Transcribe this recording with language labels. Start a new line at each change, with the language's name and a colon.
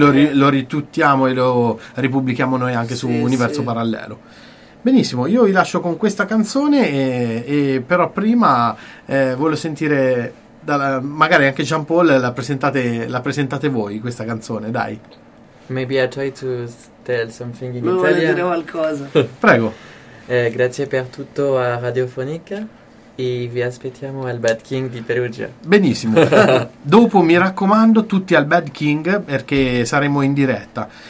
Italian: anche lo rituttiamo e lo ripubblichiamo noi anche su Universo Parallelo. Benissimo, io vi lascio con questa canzone e però prima voglio sentire magari anche Jean Paul, la presentate voi questa canzone, dai.
English: Maybe I try to tell something in Italian.
Italian: Vuole dire qualcosa. Prego. Grazie per tutto a Radiofonica e vi aspettiamo al Bad King di Perugia. Benissimo. Dopo mi raccomando tutti al Bad King perché saremo in diretta.